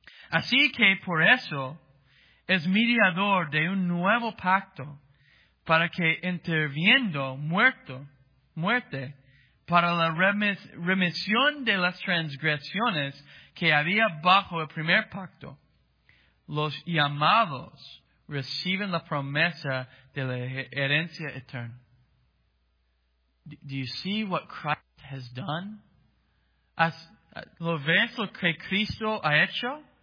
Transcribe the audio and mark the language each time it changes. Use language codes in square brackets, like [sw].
[es] Versículo 15. Así que por eso es mediador de un nuevo pacto, para que interviniendo muerte, para la remisión de las transgresiones que había bajo el primer pacto, los llamados reciben la promesa de la herencia eterna. [en] Do you see what Christ has done? [es] ¿Lo ves lo que Cristo ha hecho?